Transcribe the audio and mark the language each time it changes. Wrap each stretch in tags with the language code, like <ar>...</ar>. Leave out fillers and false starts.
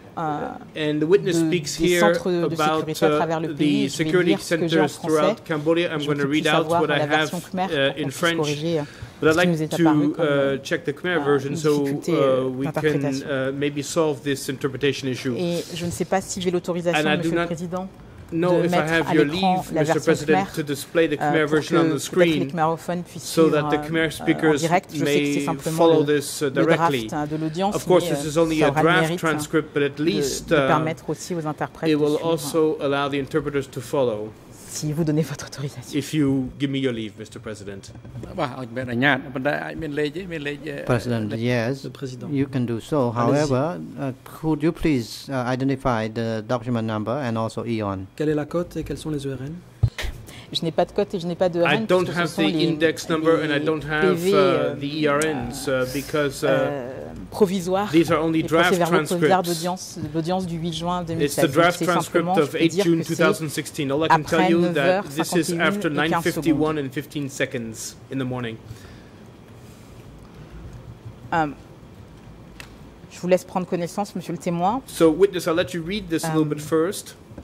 <en>and the witness speaks here about the security centers throughout Cambodia. I'm going to read out what I have in French, but I'd like to check the Khmer version so we can maybe solve this interpretation issue.</en> <fr>Et je ne sais pas si j'ai l'autorisation, Monsieur le Président,</fr> <en>know if I have your leave, Mr. President, to display the Khmer version on the screen so that the Khmer speakers may follow this directly. Of course, this is only a draft transcript, but at least it will also allow the interpreters to follow.</en> <fr>si vous donnez votre autorisation.</fr> <en>If you give me your leave, Mr. President. President, yes, you can do so. However, could you please identify the document number and also EON?</en> <fr>Quelle est la cote et quelles sont les ERN? Je n'ai pas de cote et je n'ai pas de ERN.</fr> <en>I don't have the index number and I don't have the ERNs because</en> <fr>provisoires.</fr> <en>These are only draft transcripts.</en> <fr>L'audience du 8 juin 2016.</fr> <en>It's the draft transcript of 8 June 2016. All I can tell you that this is after 9:51 and 15 seconds in the morning.</en> <fr>Je vous laisse prendre connaissance, monsieur le témoin.</fr> <en>So, witness, I'll let you read this a little bit first.</en>